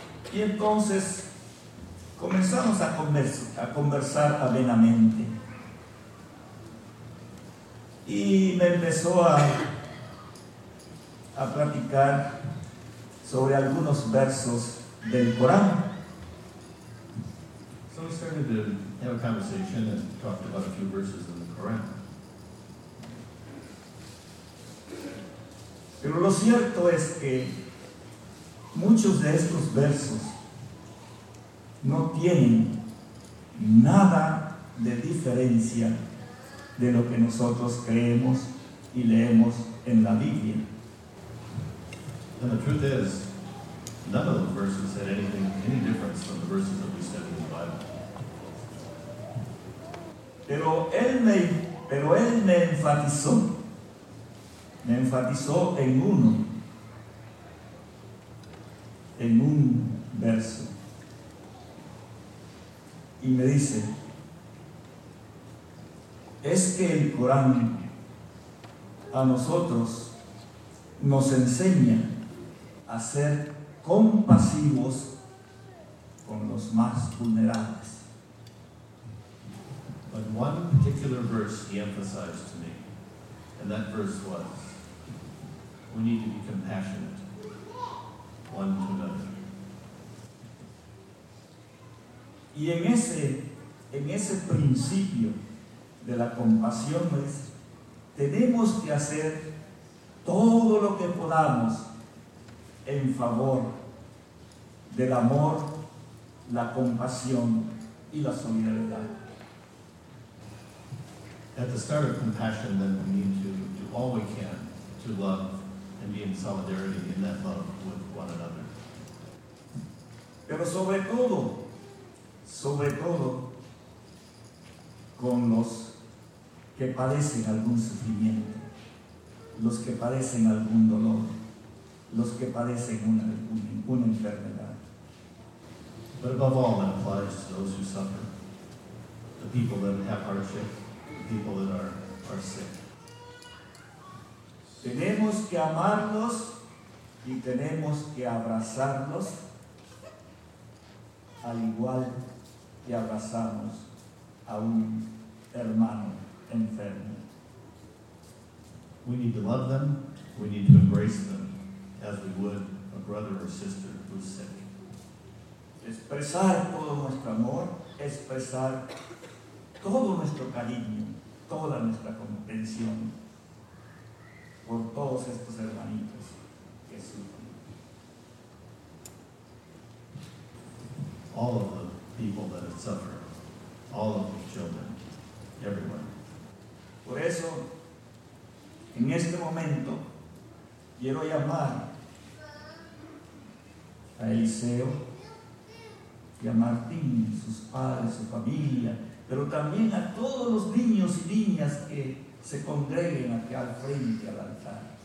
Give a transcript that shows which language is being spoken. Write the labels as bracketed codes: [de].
[es] Y entonces comenzamos a conversar amenamente. Y me empezó a platicar sobre algunos versos del Corán. [en] So we started to have a conversation and talked about a few verses in the Quran. [es] Pero lo cierto es que muchos de estos versos no tienen nada de diferencia de lo que nosotros creemos y leemos en la Biblia. [en] And the truth is, none of those verses had any difference from the verses that we study in the Bible. [es] Pero él me enfatizó. Me enfatizó en uno, en un verso, y me dice: es que el Corán a nosotros nos enseña a ser compasivos con los más vulnerables. [en] But one particular verse he emphasized to me, and that verse was: we need to be compassionate one to another. [es] Y en ese principio de la compasión, pues, tenemos que hacer todo lo que podamos en favor del amor, la compasión y la solidaridad. [en] At the start of compassion, then we need to do all we can to love and be in solidarity in that love with one another. [es] Pero sobre todo, con los que padecen algún sufrimiento, los que padecen algún dolor, los que padecen una enfermedad. [en] But above all, that applies to those who suffer, the people that have hardship, the people that are sick. [es] Tenemos que amarlos y tenemos que abrazarlos al igual que abrazamos a un hermano enfermo. [en] We need to love them, we need to embrace them as we would a brother or sister who's sick. [es] Expresar todo nuestro amor, expresar todo nuestro cariño toda nuestra comprensión por todos estos hermanitos que sufren. [en] All of the people that have suffered, all of the children, everyone. [es] Por eso, en este momento, quiero llamar a Eliseo y a Martín, sus padres, su familia, pero también a todos los niños y niñas que se congreguen aquí al frente, al altar.